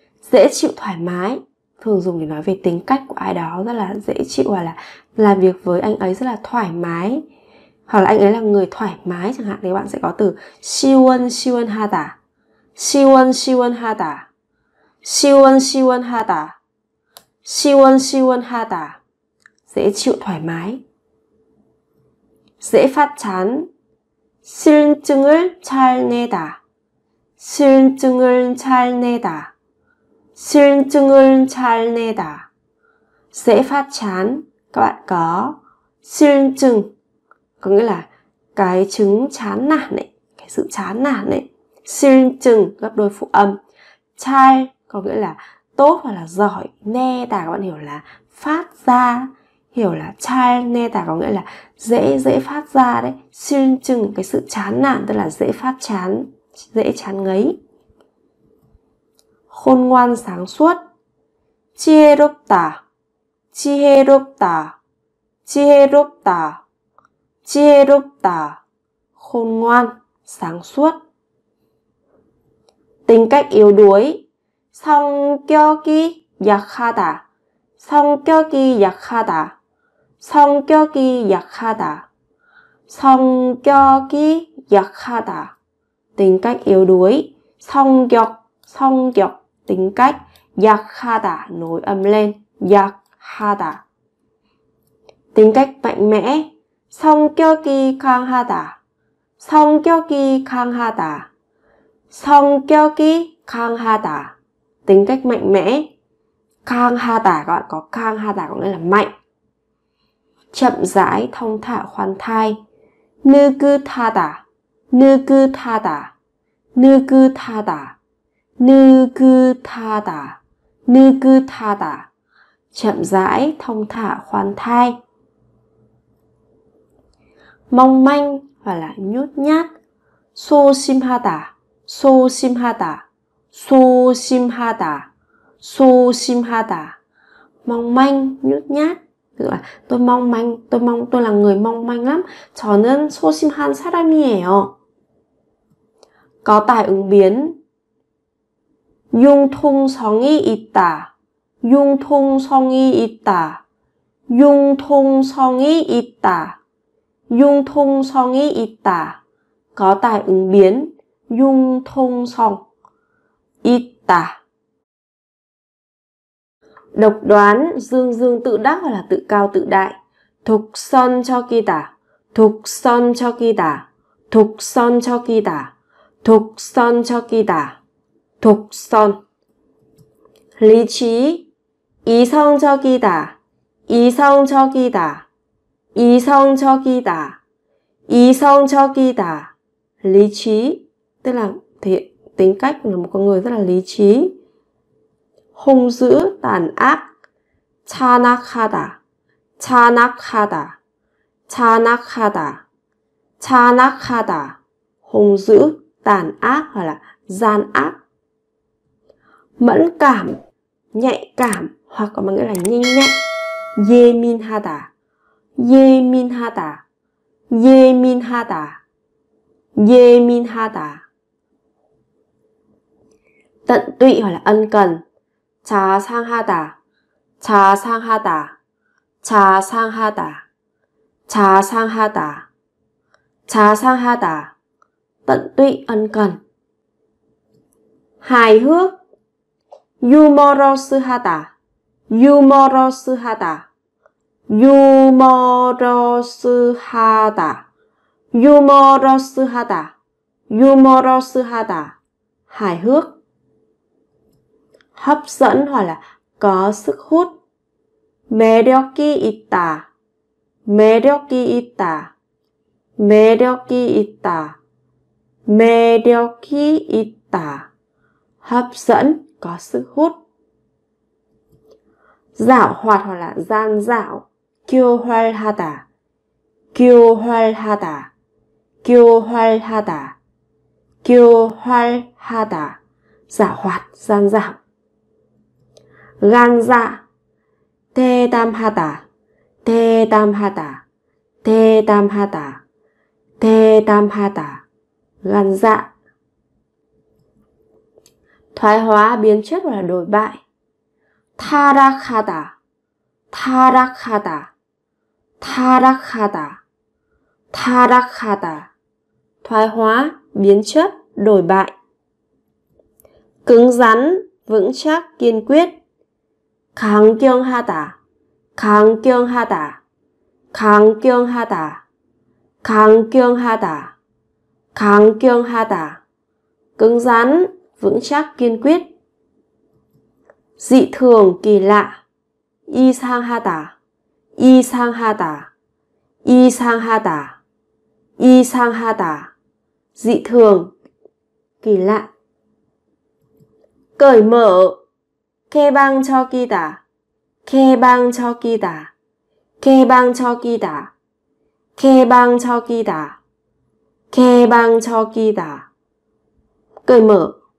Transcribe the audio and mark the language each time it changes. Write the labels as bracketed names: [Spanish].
[Vietnamese] Dễ chịu, thoải mái, thường dùng để nói về tính cách của ai đó rất là dễ chịu, hoặc là làm việc với anh ấy rất là thoải mái, hoặc là anh ấy là người thoải mái chẳng hạn, thì bạn sẽ có từ [Korean] 시원시원하다, 시원시원하다, 시원시원하다, 시원시원하다, [Vietnamese] dễ chịu, thoải mái. Dễ phát chán, [Korean] 실증을 잘 내다, 실증을 잘 내다, 실증을 잘 내다, [Vietnamese] dễ phát chán. Các bạn có 실증 có nghĩa là cái chứng chán nản ấy, cái sự chán nản ấy. 실증 gấp đôi phụ âm, 잘 có nghĩa là tốt hoặc là giỏi, 내다 các bạn hiểu là phát ra, hiểu là [Korean] 잘 내다 [Vietnamese] có nghĩa là dễ, dễ phát ra đấy. 실증 cái sự chán nản, tức là dễ phát chán, dễ chán ngấy. Khôn ngoan, sáng suốt, [Korean] 지혜롭다, 지혜롭다, 지혜롭다, [Vietnamese] 지혜롭다, khôn ngoan, sáng suốt. Tính cách yếu đuối, [Korean] 성격이 약하다, 성격이 약하다, 성격이 약하다, 성격이 약하다. [Vietnamese] Tính cách yếu đuối, [Korean] 성격, 성격, [Vietnamese] tính cách, 약하다, nối âm lên, 약하다. Tính cách mạnh mẽ, [Korean] 성격이 강하다, 성격이 강하다, 성격이 강하다. [Vietnamese] Tính cách mạnh mẽ, 강하다, các bạn có 강하다 có nghĩa là mạnh. Chậm rãi, thông thả, khoan thai, [Korean] 느긋하다, 느긋하다, 느긋하다, 느긋하다, 느긋하다. [Vietnamese] Chậm rãi, thông thả, khoan thai. Mong manh hoặc là nhút nhát, [Korean] 소심하다, 소심하다, 소심하다, 소심하다. [Vietnamese] Mong manh, nhút nhát, tức là tôi mong manh, tôi là người mong manh lắm. [Korean] 저는 소심한 사람이에요. [Vietnamese] Có tài ứng biến, [Korean] 융통성이 있다, 융통성이 있다, 융통성이 있다, 융통성이 있다. [Vietnamese] Có tài ứng biến, [Korean] 융통성 있다. [Vietnamese] Độc đoán, dương dương tự đắc hoặc là tự cao tự đại, [Korean] 독선적이다, 독선적이다, 독선적이다, 독선적이다, [Vietnamese] 독선. Lý trí, [Korean] 이성적이다, 이성적이다, 이성적이다, 이성적이다. [Vietnamese] Lý trí, tức là tính cách là một con người rất là lý trí. Hung dữ, tàn ác, [Korean] 잔악하다, 잔악하다, 잔악하다, 잔악하다. [Vietnamese] Hung dữ, tàn ác hoặc là gian ác. Mẫn cảm, nhạy cảm hoặc có nghĩa là nhanh nhẹn, [Korean] 예민하다, 예민하다, 예민하다, 예민하다. [Vietnamese] Tận tụy hoặc là ân cần, [Korean] 자상하다, 자상하다, 자상하다, 자상하다, 자상하다. [Vietnamese] Tận tụy, ân cần. Hài hước, [Korean] 유머러스하다, 유머러스하다, 유머러스하다, 유머러스하다, 유머러스하다. [Vietnamese] Hài hước. Hấp dẫn hoặc là có sức hút, [Korean] 매력이 있다, 매력이 있다, [Vietnamese] 매력이 있다, 매력이 있다. Hấp dẫn, có sức hút. Dạo hoạt hoặc là gian dạo, [Korean] 교활하다, 교활하다, 교활하다, 교활하다. [Vietnamese] Dạo hoạt, gian dạo. Gan dạ, [Korean] 대담하다, 대담하다, 대담하다, 대담하다. [Vietnamese] Gan dạ. Thoái hóa, biến chất hoặc là đổi bại, [Korean] 타락하다, 타락하다, 타락하다, 타락하다. [Vietnamese] Thoái hóa, biến chất, đổi bại. Cứng rắn, vững chắc, kiên quyết, [Korean] 강경하다, 강경하다, 강경하다, 강경하다, 강경하다. [Vietnamese] Cứng rắn, vững chắc, kiên quyết. Dị thường, kỳ lạ, [Korean] 이상하다, 이상하다, 이상하다, 이상하다. [Vietnamese] Dị thường, kỳ lạ. Cởi mở, [Korean] 개방적이다, 개방적이다, 개방적이다, 개방적이다, 개방적이다. [Vietnamese] Cởi mở.